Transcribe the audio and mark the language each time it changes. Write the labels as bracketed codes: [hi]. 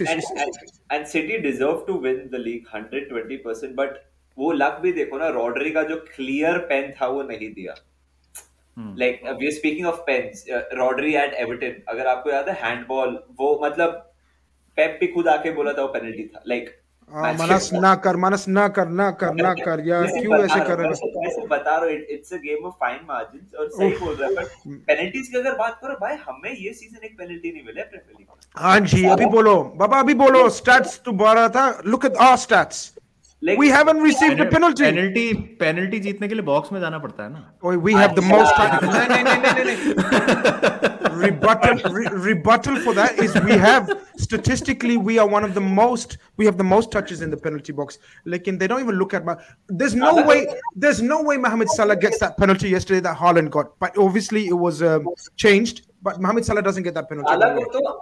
[en] and city deserve to win the league 120% [hi] but वो luck भी देखो ना रॉड्री का जो क्लियर पेन था वो नहीं दिया [en] Like we are speaking of pens, Rodri at Everton. [hi] अगर आपको याद है handball, वो मतलब Pep भी खुद आके बोला था वो penalty था. [en] Like [hi] मनस ना कर यार क्यों ऐसे कर रहे हो? ऐसे बता रहे हो. [en] It's a game of fine margins [hi] और सही बोल रहा है. But penalties की अगर बात करो, भाई हमें ये season एक penalty नहीं मिला Premier League. हाँ जी, अभी बोलो, बाबा अभी बोलो. Stats तो बारा था. [en] Look at our stats. Like, we haven't received a penalty. Penalty जीतने के लिए box में जाना पड़ता है ना? Oh, we have the most. No. Rebuttal for that is we have statistically we are one of the most. We have the most touches in the penalty box. Like, they don't even look at my. There's no way Mohamed Salah gets that penalty yesterday that Haaland got. But obviously it was changed. But Mohamed Salah doesn't get that penalty.